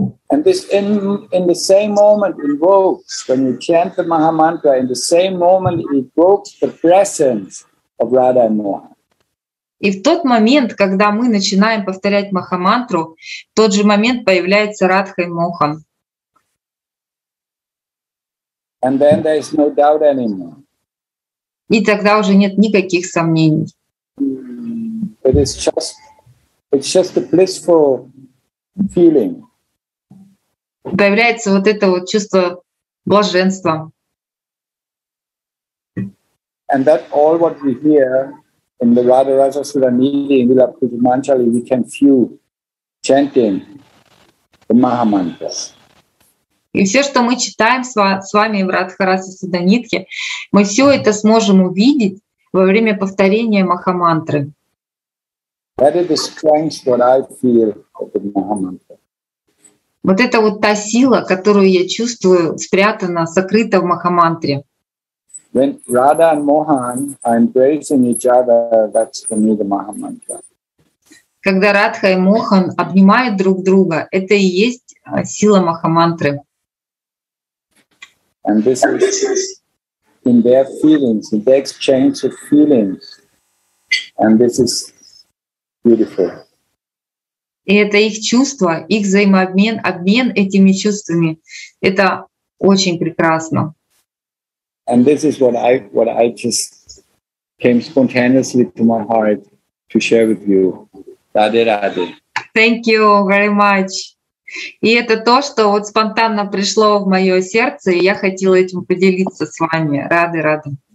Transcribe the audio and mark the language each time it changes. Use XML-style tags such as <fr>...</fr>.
<en>And this in the same moment invokes, when you chant the Mahamantra, in the same moment it invokes the presence of Radha and Mohan.</en> <ru>И в тот момент, когда мы начинаем повторять Махамантру, в тот же момент появляется Радха и Мохан.</ru> <en>And then there is no doubt anymore.</en> <ru>И тогда уже нет никаких сомнений.</ru> <en>It's just a blissful feeling.</en> <ru>Появляется вот это вот чувство блаженства.</ru> <en>And that all what we hear in the Radha Rasa Sudhanidhi in Vila Pujamanchali, we can feel chanting the Mahamantra.</en> <ru>И все, что мы читаем с вами в Радха Раса Сиданитхе, мы все это сможем увидеть во время повторения Махамантры.</ru> <en>That is the strength what I feel of the Mahamantra.</en> <ru>Вот это вот та сила, которую я чувствую, спрятана, сокрыта в Махамантре.</ru> <en>When Radha and Mohan are embracing each other, that's for me the Mahamantra.</en> <ru>Когда Радха и Мохан обнимают друг друга, это и есть сила Махамантры.</ru> <en>And this is in their feelings, in their exchange of feelings. And this is beautiful.</en> <ru>И это их чувства, их взаимообмен, обмен этими чувствами. Это очень прекрасно.</ru> <en>And this is what I just came spontaneously to my heart to share with you.</en> <ru>Раде, раде.</ru> <en>Thank you very much.</en> <ru>И это то, что вот спонтанно пришло в мое сердце, и я хотела этим поделиться с вами. Рады, рады.</ru>